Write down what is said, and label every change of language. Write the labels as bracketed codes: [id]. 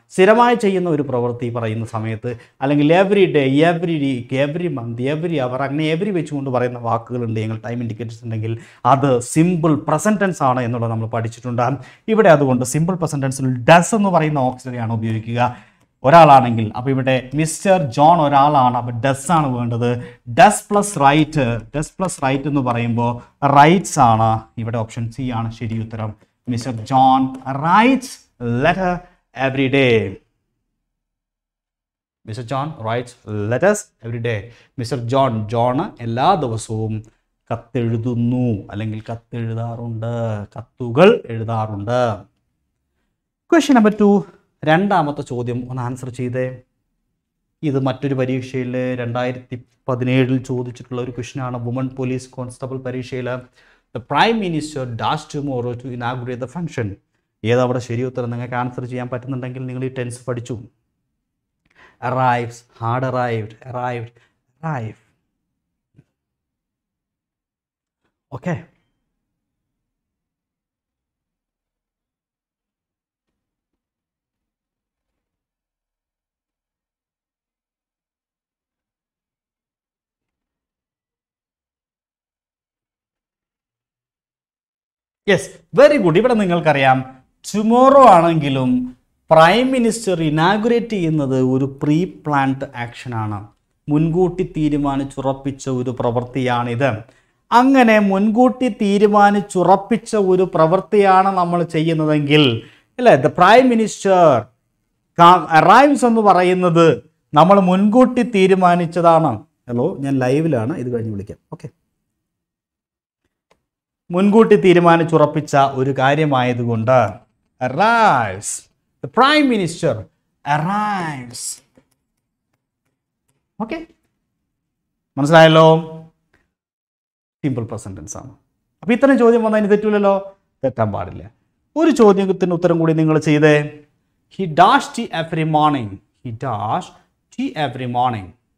[ml] സ്ഥിരമായി ചെയ്യുന്ന ഒരു പ്രവൃത്തി പറയുന്ന സമയത്ത് അല്ലെങ്കിൽ every day, every week, every month, every അവർ, അങ്ങനെ എവറി വെച്ചുകൊണ്ട് പറയുന്ന വാക്കുകളുണ്ട് ഞങ്ങൾ ടൈം ഇൻഡിക്കേറ്റേഴ്സ് ഉണ്ടെങ്കിൽ അത് സിമ്പിൾ പ്രസൻറ്റൻസ് ആണ് എന്നുള്ളത് നമ്മൾ പഠിച്ചിട്ടുണ്ട്. ഇവിടെ അതുകൊണ്ട് സിമ്പിൾ പ്രസൻറ്റൻസിൽ ഡസ് എന്ന് പറയുന്ന ഓക്സിലിയാണ് ഉപയോഗിക്കുക ഒരാളാണെങ്കിൽ. അപ്പോൾ ഇവിടെ മിസ്റ്റർ ജോൺ ഒരാളാണ്, അപ്പോൾ ഡസ് ആണ് വേണ്ടത്. Does plus right, does plus right എന്ന് പറയുമ്പോൾ റൈറ്റ്സ് ആണ്. ഇവിടെ ഓപ്ഷൻ സി ആണ് ശരി ഉത്തരം. Mr. [en] John writes letter every day. Mr. John writes letters every day. Mr. [ml] John, John, എല്ലാ ദിവസവും കത്തെഴുതുന്നു അല്ലെങ്കിൽ കത്തെഴുതാറുണ്ട്, കത്തുകൾ എഴുതാറുണ്ട്. ക്വസ്റ്റ്യൻ നമ്പർ ടു, രണ്ടാമത്തെ ചോദ്യം ഒന്ന് ആൻസർ ചെയ്തേ. ഇത് മറ്റൊരു പരീക്ഷയിൽ 2017 ചോദിച്ചിട്ടുള്ള ഒരു ക്വസ്റ്റ്യൻ ആണ്, വുമൺ പോലീസ് കോൺസ്റ്റബിൾ പരീക്ഷയിൽ. [en] The Prime Minister does tomorrow to inaugurate the function. [ml] ഏതവിടെ ശരി ഉത്തരം നിങ്ങൾക്ക് ആൻസർ ചെയ്യാൻ പറ്റുന്നുണ്ടെങ്കിൽ നിങ്ങൾ ഈ ടെൻസ് പഠിച്ചു. [en] Arrives, had arrived, arrived, arrive. Okay. Yes, very good. [ml] ഇവിടെ നിങ്ങൾക്കറിയാം ടുമോറോ ആണെങ്കിലും പ്രൈം മിനിസ്റ്റർ ഇനാഗുറേറ്റ് ചെയ്യുന്നത് ഒരു പ്രീ പ്ലാൻഡ് ആക്ഷനാണ്, മുൻകൂട്ടി തീരുമാനിച്ചുറപ്പിച്ച ഒരു പ്രവൃത്തിയാണിത്. അങ്ങനെ മുൻകൂട്ടി തീരുമാനിച്ചുറപ്പിച്ച ഒരു പ്രവൃത്തിയാണ് നമ്മൾ ചെയ്യുന്നതെങ്കിൽ അല്ലേ, ദ പ്രൈം മിനിസ്റ്റർ അറൈവ്സ് എന്ന് പറയുന്നത് നമ്മൾ മുൻകൂട്ടി തീരുമാനിച്ചതാണ്. ഹലോ, ഞാൻ ലൈവിലാണ്, ഇത് കഴിഞ്ഞ് വിളിക്കാം. ഓക്കെ, മുൻകൂട്ടി തീരുമാനിച്ചുറപ്പിച്ച ഒരു കാര്യമായതുകൊണ്ട് arrives. [en] The Prime Minister arrives. Okay? [ml] മനസ്സിലായല്ലോ, സിമ്പിൾ പ്രസന്റൻസ് ആണ്. അപ്പൊ ഇത്തരം ചോദ്യം വന്നാൽ ഇനി തെറ്റില്ലല്ലോ, തെറ്റാൻ പാടില്ല. ഒരു ചോദ്യത്തിന് ഉത്തരം കൂടി നിങ്ങൾ ചെയ്തേ. [en] He dash tea every morning, he dash tea every morning.